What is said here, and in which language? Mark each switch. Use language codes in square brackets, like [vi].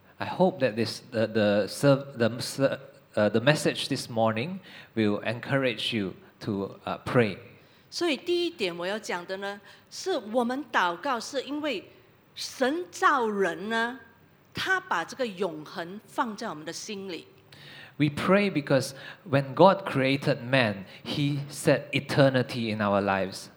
[en] I hope that the message this morning will encourage you to pray. [zh] 所以第一点我要讲的呢，是我们祷告是因为神造人呢，他把这个永恒放在我们的心里。 [en] We pray because when God created man, He set eternity in our lives.